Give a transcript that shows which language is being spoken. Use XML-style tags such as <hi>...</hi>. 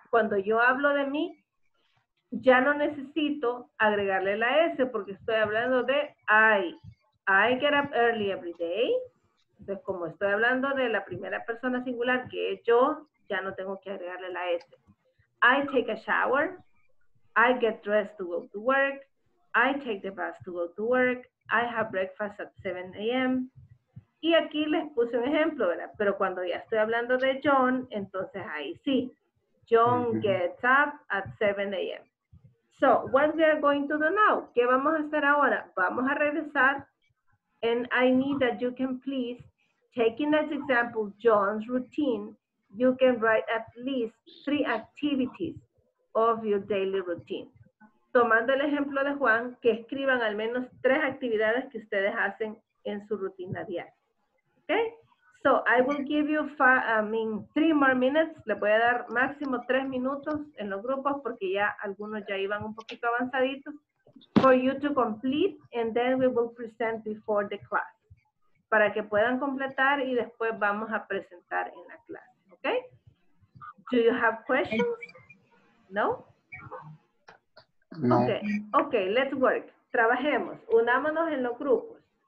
<es>Cuando yo hablo de mí, ya no necesito agregarle la S porque estoy hablando de</es> <en>I get up early every day.</en> <es>Entonces, como estoy hablando de la primera persona singular, que es yo, ya no tengo que agregarle la S.</es> <en>I take a shower. I get dressed to go to work. I take the bus to go to work. I have breakfast at 7 a.m.</en> <es>Y aquí les puse un ejemplo, ¿verdad? Pero cuando ya estoy hablando de John, entonces ahí sí.</es> <en>John gets up at 7 a.m. So, what we are going to do now?</en> <es>¿Qué vamos a hacer ahora? Vamos a regresar.</es> <en>And I need that you can please, taking as example John's routine, you can write at least 3 activities of your daily routine.</en> <es>Tomando el ejemplo de Juan, que escriban al menos 3 actividades que ustedes hacen en su rutina diaria.</es> <en>Okay, so I will give you 3 more minutes.</en> <es>Le voy a dar máximo 3 minutos en los grupos porque ya algunos ya iban un poquito avanzaditos.</es> <en>For you to complete and then we will present before the class.</en> <es>Para que puedan completar y después vamos a presentar en la clase.</es> <en>Okay? Do you have questions? No? No. Okay, let's work.</en> <es>Trabajemos. Unámonos en los grupos.</es>